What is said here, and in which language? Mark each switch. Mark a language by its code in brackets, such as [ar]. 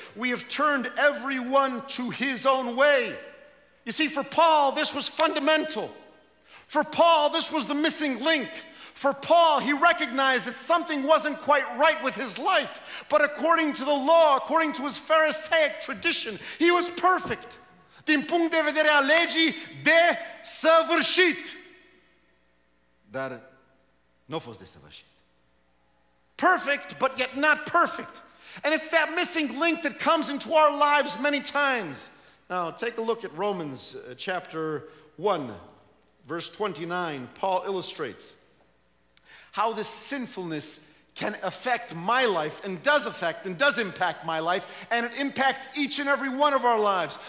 [en] We have turned everyone to his own way. You see, for Paul, this was fundamental. For Paul, this was the missing link. For Paul, he recognized that something wasn't quite right with his life. But according to the law, according to his Pharisaic tradition, he was perfect. [ro] din punct de vedere a legii, desăvârșit. Dar nu a fost desăvârșit. [en] Perfect, but yet not perfect. And it's that missing link that comes into our lives many times. Now, take a look at Romans chapter 1, verse 29. Paul illustrates how this sinfulness can affect my life and does affect and does impact my life, and it impacts each and every one of our lives.